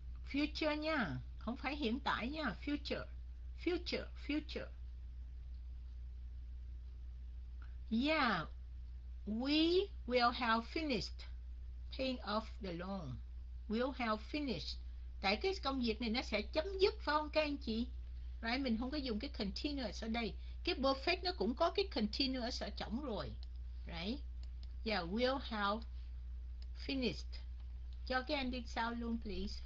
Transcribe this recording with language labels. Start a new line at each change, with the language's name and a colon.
Vietnamese: Future nha, không phải hiện tại nha, future, future, future.
English: Yeah, we will have finished paying off the loan. We'll have finished.
Vietnamese: Tại cái công việc này nó sẽ chấm dứt, phải không các anh chị? Right, mình không có dùng cái continuous ở đây. Cái perfect nó cũng có cái continuous ở trong rồi.
English: Right, yeah, we'll have finished.
Vietnamese: Cho cái anh đi sau luôn, please.